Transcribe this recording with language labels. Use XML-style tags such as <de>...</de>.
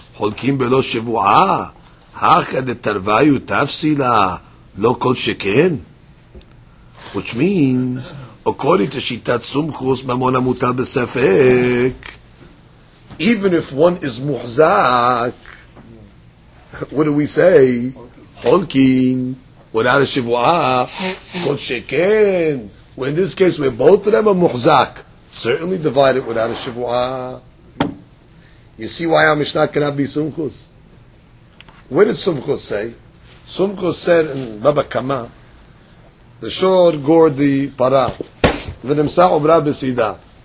<arc>חולקים בלא שבועה, הכה דתרוויו תפסילה, לא כל שכן.</arc> <en>Which means, according to שיטת סומכוס, ממון המוטל בספק. Even if one is מוחזק, what do we say?</en> <he>חולקים,</he> <en>without a</en> <he>שבועה, כל שכן.</he> <en>Well, in this case, we're both of them are מוחזק. Certainly divide it without a שבועה. You see why our Mishnah cannot be Sumchus? What did Sumchus say? Sumchus said in Baba Kama, the shor gored the para,</en> <arc>v'nimsa ubra besida.</arc>